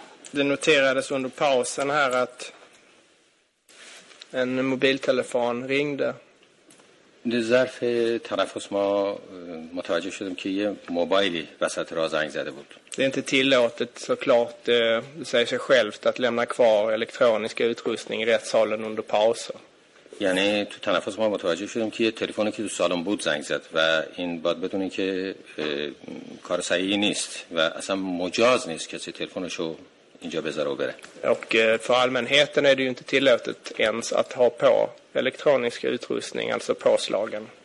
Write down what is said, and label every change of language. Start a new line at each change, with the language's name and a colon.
Swedish: Det noterades under pausen här att en mobiltelefon ringde.
Persian: در ظرف تنفس ما متوجه شدم که یه موبایلی وسط را زنگ زده بود.
Swedish: Det är inte tillåtet såklart, det säger sig självt, att lämna kvar elektronisk utrustning i rättssalen under pauser.
Persian: یعنی تو تنفس ما متوجه شدم که یه تلفنی که تو سالن بود زنگ زد و این باید بدونین که کار صحیحی نیست و اصلا مجاز نیست کسی تلفنشو اینجا بذاره و بره.
Swedish: Och för allmänheten är det ju inte tillåtet ens att ha på elektronisk utrustning, alltså påslagen.